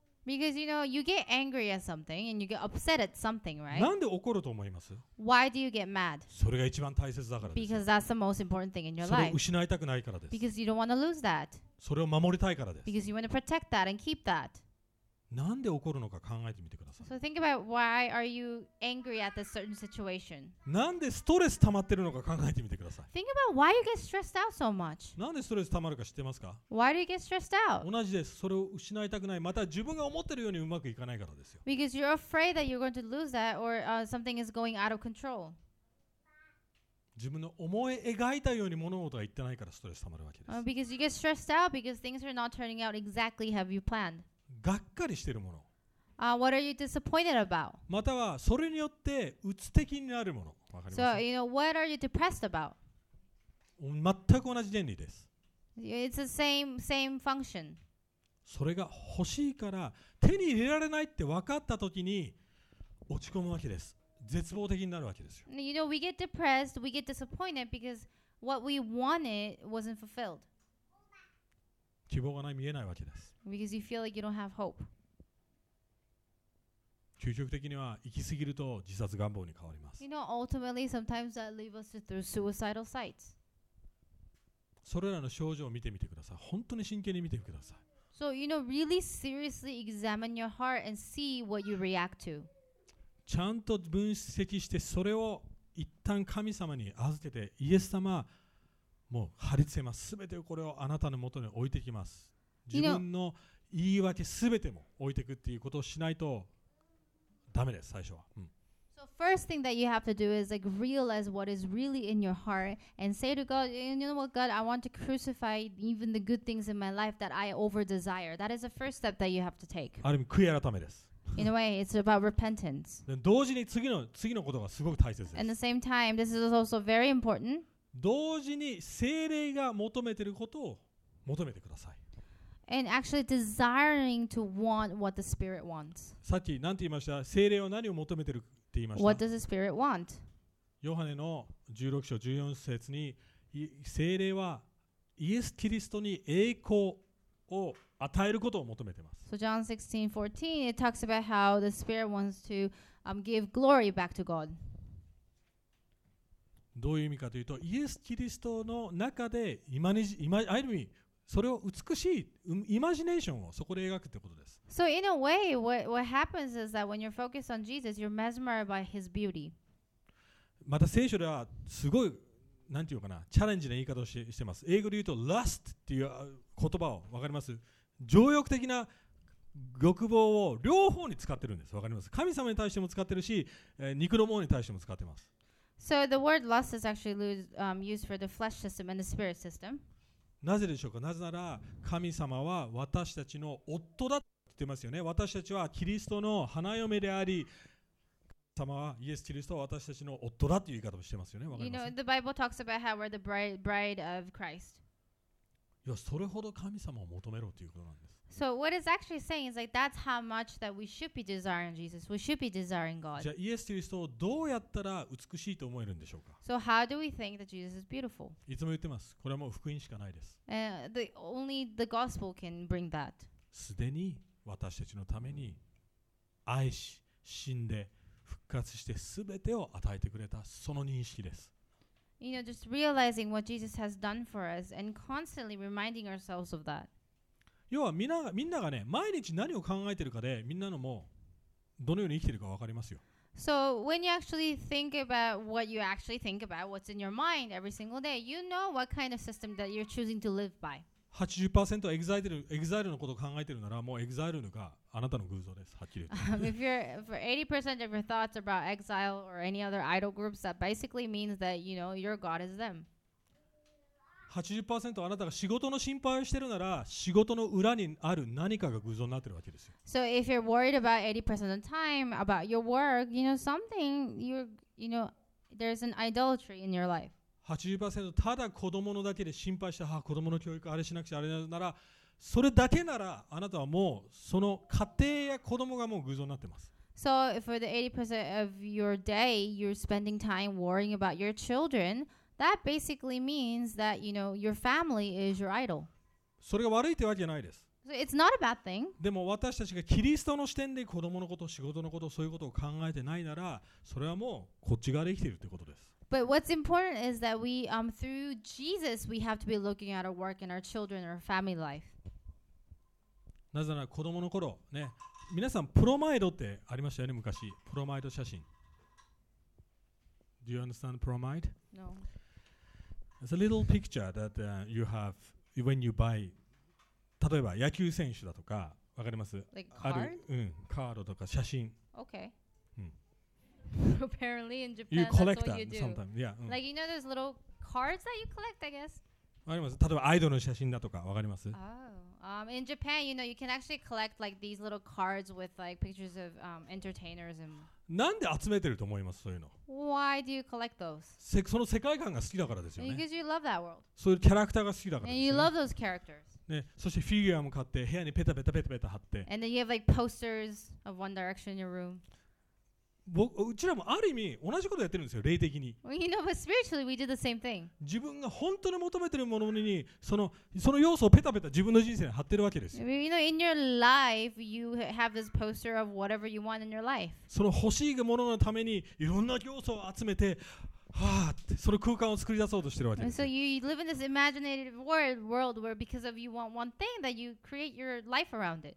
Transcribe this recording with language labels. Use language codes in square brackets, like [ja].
[en] Because you know, you get angry at something and you get upset at something, right? [ja] なんで怒ると思います? [en] Why do you get mad? [ja] それが一番大切だからです。 [en] Because that's the most important thing in your life. [ja] それを失いたくないからです。 [en] Because you don't want to lose that. [ja] それを守りたいからです。 [en] Because you want to protect that and keep that. [ja] なんで怒るのか考えてみてください。 [en] So think about why are you angry at this certain situation. [ja] なんでストレス溜まってるのか考えてみてください。 [en] Think about why you get stressed out so much. [ja] なんでストレス溜まるか知ってますか? [en] Why do you get stressed out? [ja] 同じです。それを失いたくない。また自分が思ってるようにうまくいかないからですよ。 [en] Because you're afraid that you're going to lose that or something is going out of control. [ja] 自分の思い描いたように物事がいってないからストレス溜まるわけです。 [en] Because you get stressed out because things are not turning out exactly how you planned. [ja] がっかりしているもの。 [en] What are you disappointed about? [ja] またはそれによって鬱的になるもの。 [en] So, you know, what are you depressed about? [ja] 全く同じ原理です。 [en] It's the same function. [ja] それが欲しいから手に入れられないって分かったときに落ち込むわけです。絶望的になるわけですよ。 [en] You know, we get depressed, we get disappointed because what we wanted wasn't fulfilled. [ja] 希望がない見えないわけです。 [en] Because you feel like you don't have hope. [ja] 究極的には行き過ぎると自殺願望に変わります。 [en] You know, ultimately, sometimes that leads us through suicidal sights. [ja] それらの症状を見てみてください。本当に真剣に見てください。 [en] So you know, really seriously examine your heart and see what you react to. [ja] ちゃんと分析してそれを一旦神様に預けてイエス様。もう張り付けます。すべてこれをあなたの元に置いてきます。自分の言い訳すべても置いていくっていうことをしないとダメです。最初は。うん、 [en] so first thing that you have to do is like realize what is really in your heart and say to God, you know what, God, I want to crucify even the good things in my life that I over desire. That is the first step that you have to take. [ja] ある意味悔い改めです。 [en] In a way, it's about repentance. [ja] で同時に次のことがすごく大切です。 [en] At the same time, this is also very important. [ja] 同時に聖霊が求めていることを求めてください。 [en] And actually desiring to want what the Spirit wants. [ja] さっき何て言いました?聖霊は何を求めているって言いました。 [en] What does the Spirit want? [ja] ヨハネの16章14節に聖霊はイエス・キリストに栄光を与えることを求めています。 [en] So John 16:14 it talks about how the Spirit wants to give glory back to God. [ja] どういう意味かというとイエス・キリストの中で ある意味それを美しいイマジネーションをそこで描くということです。 [en] So in a way, what happens is that when you're focused on Jesus, you're mesmerized by his beauty. [ja] また聖書ではすごいなんていうかなチャレンジな言い方をしてます。英語で言うと lust っていう言葉をわかります。情欲的な欲望を両方に使ってるんです。わかります。神様に対しても使ってるし、肉のものに対しても使ってます。 [en] So the word lust is actually used for the flesh system and the spirit system. [ja] なぜでしょうか。なぜなら神様は私たちの夫だって言ってますよね。私たちはキリストの花嫁であり、神様はイエス・キリストは私たちの夫だという言い方をしてますよね。わかります。 [en] You know, the Bible talks about how we're the bride of Christ. [ja] いや、それほど神様を求めろということなんです。 [en] So what it's actually saying is like that's how much that we should be desiring Jesus. We should be desiring God. [ja] じゃあイエス・キリストをどうやったら美しいと思えるんでしょうか? [en] So how do we think that Jesus is beautiful? [ja] いつも言ってます。これはもう福音しかないです。 [en] Only the gospel can bring that. [ja] すでに私たちのために愛し、死んで、復活して全てを与えてくれたその認識です。 [en] You know, just realizing what Jesus has done for us and constantly reminding ourselves of that. [ja] 要はみんながね毎日何を考えてるかでみんなのもどのように生きてるか分かりますよ。 [en] So when you actually think about what you actually think about, what's in your mind every single day, you know what kind of system that you're choosing to live by. [ja] 80% exile のことを考えてるならもう exile があなたの偶像です。はっきり言って。 [en] If you're for 80% of your thoughts about exile or any other idol groups, that basically means that you know your god is them. [ja] 80% あなたが仕事の心配をしているなら仕事の裏にある何かが偶像になっているわけですよ。 [en] So if you're worried about 80% of the time about your work, you know something, you know, there's an idolatry in your life. [ja] 80% ただ子供のだけで心配して、あ、子供の教育あれしなくちゃあれなら、それだけならあなたはもうその家庭や子供がもう偶像になっています。 [en] So for the 80% of your day, you're spending time worrying about your children. That basically means that, you know, your family is your idol. [ja] それが悪いってわけじゃないです。 [en] So it's not a bad thing. [ja] でも私たちがキリストの視点で子供のこと、仕事のこと、そういうことを考えてないなら、それはもうこっち側で生きているってことです。 [en] But what's important is that we, through Jesus, we have to be looking at our work and our children and our family life. [ja] なぜなら子供の頃、ね、皆さんプロマイドってありましたよね、昔。プロマイド写真。 [en] Do you understand bromide? No. It's a little picture that you have when you buy, [ja] 例えば野球選手だとか、わかります? [en] Like card? [ja] ある、うん、カードとか写真。 [en] Okay.、うん、 Apparently in Japan, that's what you collect them sometimes, yeah.、うん、like you know those little cards that you collect, I guess? [ja] わかります。例えばアイドルの写真だとか、わかります? [en] Oh. In Japan, you know, you can actually collect like these little cards with like pictures of entertainers and... [ja] なんで集めてると思います、そういうの。 [en] Why do you collect those? [ja] その世界観が好きだからですよね。 [en] Because you love that world. [ja] そういうキャラクターが好きだからですよ、ね。 [en] And you love those characters. [ja] ね、そしてフィギュアも買って、部屋にペタペタペタペタ貼って。 [en] And then you have like posters of One Direction in your room. [ja] うちらもある意味同じことをやってるんですよ、霊的に。 [en] You know, but spiritually we do the same thing. [ja] 自分が本当に求めてるものに、その要素をペタペタ自分の人生に貼ってるわけですよ。 [en] You know, in your life, you have this poster of whatever you want in your life. [ja] その欲しいもののためにいろんな要素を集めて、はぁーって、その空間を作り出そうとしてるわけです。 [en] So you live in this imaginative world where because of you want one thing that you create your life around it.